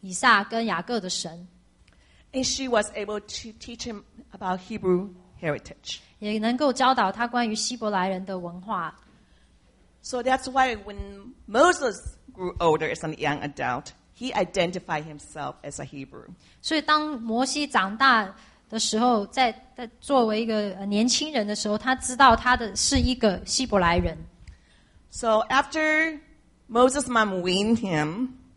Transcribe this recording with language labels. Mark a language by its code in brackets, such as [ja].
[zh] 所以在那个季节，你想一想，约基别有机会可以教导他的儿子摩西关于他们的神，就是亚伯拉罕、以撒跟雅各的神。 [en] And she was able to teach him about Hebrew heritage. [zh] 也能够教导他关于希伯来人的文化。 [en] So that's why when Moses grew older as a young adult, he identified himself as a Hebrew. [zh] 所以当摩西长大的时候，在作为一个年轻人的时候，他知道他是一个希伯来人。So [en] after Moses' mom weaned him,